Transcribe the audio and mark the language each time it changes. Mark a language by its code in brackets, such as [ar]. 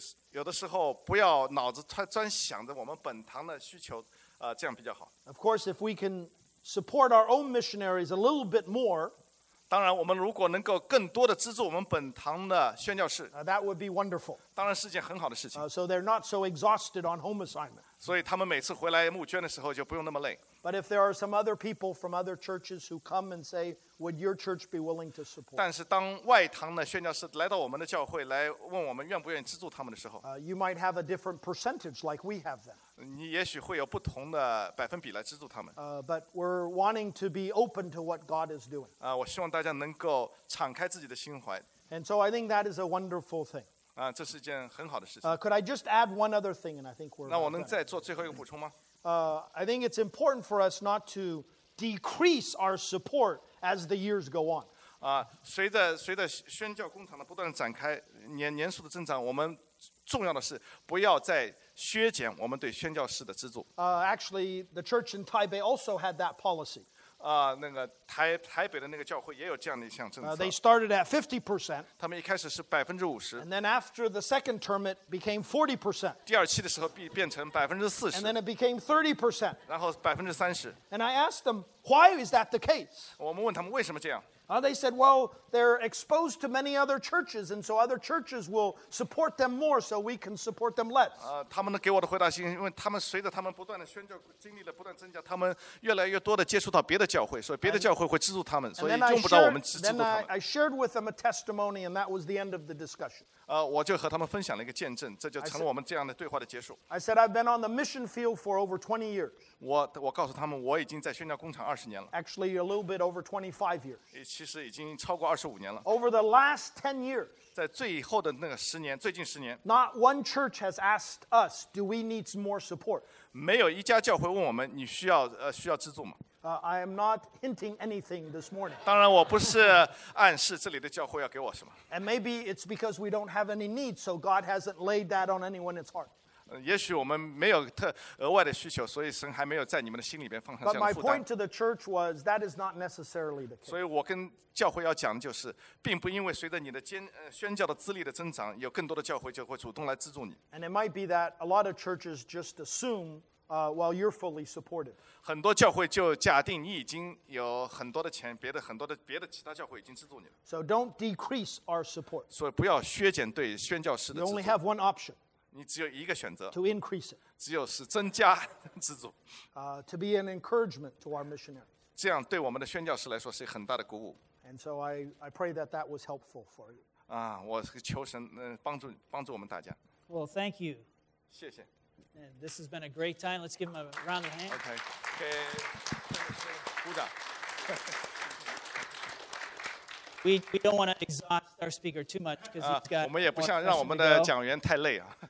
[zh] 有的时候不要脑子专想着我们本堂的需求，这样比较好。 [en] Of course, if we can support our own missionaries a little bit more, [zh] 当然我们如果能够更多的资助我们本堂的宣教士， [en] that would be wonderful. [zh] 当然是件很好的事情。 [en] So they're not so exhausted on home assignment. [zh] 所以他们每次回来募捐的时候就不用那么累。 [en] But if there are some other people from other churches who come and say, would your church be willing to support? [zh] 但是当外堂的宣教士来到我们的教会来问我们愿不愿意资助他们的时候， [en] you might have a different percentage like we have them. [zh] 你也许会有不同的百分比来资助他们。 [en] But we're wanting to be open to what God is doing. [zh] 我希望大家能够敞开自己的心怀。 [en] And so I think that is a wonderful thing. [zh] 这是一件很好的事情。 [en] Could I just add one other thing? And I think we're [zh] 那我能再做最后一个补充吗？ [en] I think it's important for us not to decrease our support as the years go on. [zh] 随着宣教工厂的不断展开，年数的增长，我们重要的是不要再削减我们对宣教士的资助。 [en] Actually, the church in Taipei also had that policy. [zh] 那个台北的那个教会也有这样的一项政策。 [en] They started at 50%. [zh] 他们一开始是50%。 [en] And then after the second term, it became 40%. [zh] 第二期的时候变成40%。 [en] And then it became 30%. [zh] 然后30%。 [en] And I asked them, why is that the case? [zh] 我们问他们为什么这样。 [en] They said, well, they're exposed to many other churches, and so other churches will support them more, so we can support them less. [zh] 他们给我的回答是因为他们随着他们不断的宣教经历的不断增加，他们越来越多的接触到别的教会，所以别的教会会资助他们，所以用不着我们资助他们。 [en] And then I shared with them a testimony, and that was the end of the discussion. [zh] 我就和他们分享了一个见证，这就成了我们这样的对话的结束。 [en] I said, I've been on the mission field for over 20 years. [zh] 我告诉他们我已经在宣教工厂20年了。 [en] Actually, a little bit over 25 years. [zh] 其实已经超过25年了。 [en] Over the last 10 years, [zh] 在最后的那个十年，最近十年 [en] ，Not one church has asked us, do we need more support? [zh] 没有一家教会问我们，你需要资助吗？ [en] I am not hinting anything this morning. [zh] 当然，我不是暗示这里的教会要给我什么。 [en] And maybe it's because we don't have any need, so God hasn't laid that on anyone's heart. [zh] 也许我们没有特额外的需求，所以神还没有在你们的心里边放上这样的负担。 [en] But my point to the church was that is not necessarily the case. [zh] 所以我跟教会要讲的就是，并不因为随着你的宣教的资历的增长，有更多的教会就会主动来资助你。 [en] And it might be that a lot of churches just assume, well, you're fully supported. [zh] 很多教会就假定你已经有很多的钱，别的其他教会已经资助你了。 [en] So don't decrease our support. [zh] 所以不要削减对宣教师的资助。 [en] You only have one option. [zh] 你只有一个选择 [en] to increase it, [zh] 只有是增加资助 [en] to be an encouragement to our missionaries. [zh] 这样对我们的宣教士来说是很大的鼓舞。 [en] And so I pray that was helpful for you. [zh] 我求神帮助我们大家。 [en] Well, thank you. [zh] 谢谢。 [en] And this has been a great time. Let's give him a round of hands. Okay. Okay. [zh] 鼓掌。 [en] We don't want to exhaust our speaker too much because he's got. [zh] 我们也不想让我们的讲员太累啊。